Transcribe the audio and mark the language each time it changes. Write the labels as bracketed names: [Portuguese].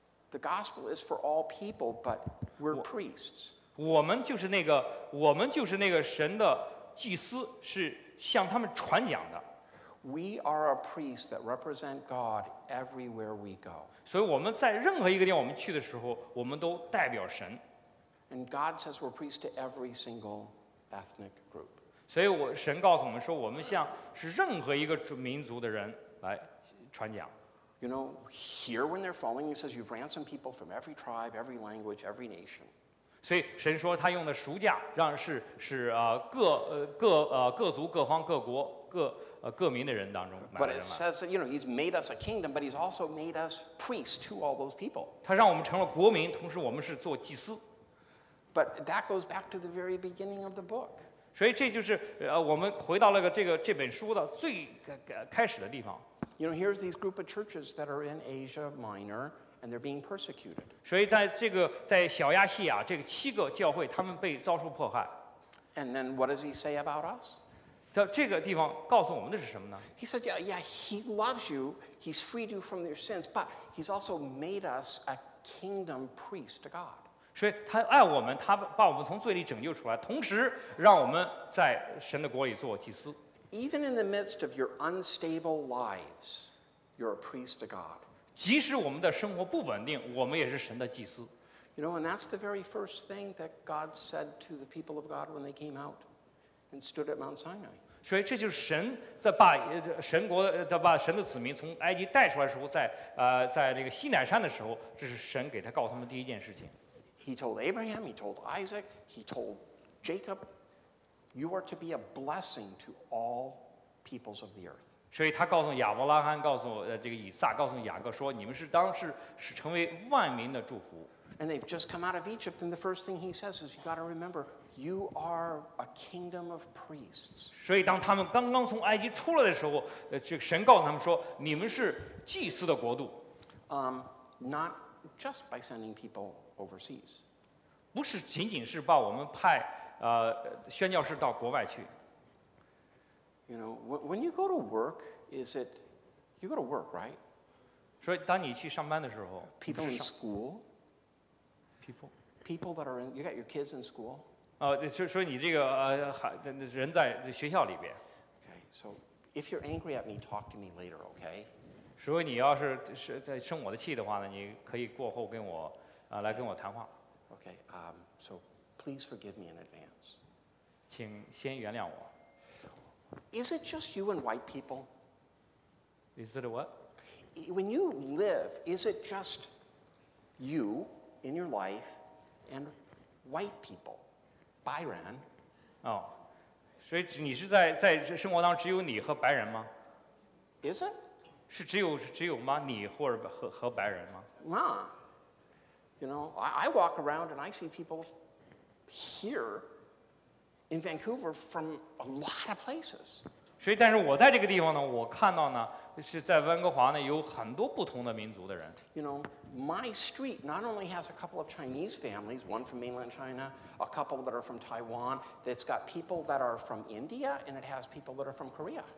[English] The gospel is for all people, but we're priests. [Chinese] 我们就是那个神的祭司，是向他们传讲的。 [English] We are a priest that represent God everywhere we go. [Chinese] 所以我们在任何一个地方我们去的时候，我们都代表神。 [English] And God says we're priests to every single ethnic group. [Chinese] 所以神告诉我们说，我们向是任何一个民族的人来传讲。 [English] You know, here when they're falling, he says you've ransomed people from every tribe, every language, every nation. [Chinese] 所以神说他用的赎价，让是各族各方各国各民的人当中买的人。 [English] But it says that, you know, he's made us a kingdom, but he's also made us priests to all those people. [Chinese] 他让我们成了国民，同时我们是做祭司。 [English] But that goes back to the very beginning of the book. [Chinese] 所以这就是我们回到了这本书的最开始的地方。 [English] You know, here's these group of churches that are in Asia Minor, and they're being persecuted. [Chinese] 所以在小亚细亚这个七个教会，他们被遭受迫害。 [English] And then what does he say about us? [Chinese] 这个地方告诉我们的是什么呢？ [English] He says, yeah, he loves you, he's freed you from your sins, but he's also made us a kingdom priest to God. [Chinese] 所以他爱我们，他把我们从罪里拯救出来，同时让我们在神的国里做祭司。 [English] Even in the midst of your unstable lives, you're a priest to God. [Chinese] 即使我们的生活不稳定，我们也是神的祭司。 [English] You know, and that's the very first thing that God said to the people of God when they came out and stood at Mount Sinai. [Chinese] 所以这就是神在把神国的把神的子民从埃及带出来的时候，在那个西乃山的时候，这是神给他告诉他们第一件事情。 [English] He told Abraham, he told Isaac, he told Jacob. You are to be a blessing to all peoples of the earth. [Chinese] 所以他告诉亚伯拉罕，告诉这个以撒，告诉雅各说，你们是当时是成为万民的祝福。 [English] And they've just come out of Egypt, and the first thing he says is, you've got to remember, you are a kingdom of priests. [Chinese] 所以当他们刚刚从埃及出来的时候，这个神告诉他们说，你们是祭司的国度。 [English] Not just by sending people overseas. [Chinese] 不是仅仅是把我们派。宣教士到国外去。 [English] You know, when you go to work, is it you go to work, right? [Chinese] 所以当你去上班的时候 [English] ，people in school, people that are in, you got your kids in school. [Chinese] 所以你这个人在学校里边。 [English] Okay, so if you're angry at me, talk to me later, okay? [Chinese] 如果你要是在生我的气的话呢，你可以过后跟我来跟我谈话。 [English] Okay, so. Please forgive me in advance. [Chinese] 请先原谅我。 [English] Is it just you and white people? Is it what? When you live, is it just you in your life and white people? Byron. [Chinese] Oh, 所以你是在生活当中只有你和白人吗？ [English] Is it? [Chinese] 是只有吗？你或者和白人吗？ [English] Ma, you know, I walk around and I see people. Here in Vancouver, from a lot of places. [Chinese] 所以，但是我在这个地方呢，我看到呢，是在温哥华呢，有很多不同的民族的人。 [English] You know, my street not only has a couple of Chinese families, one from mainland China, a couple that are from Taiwan. It's got people that are from India, and it has people that are from Korea.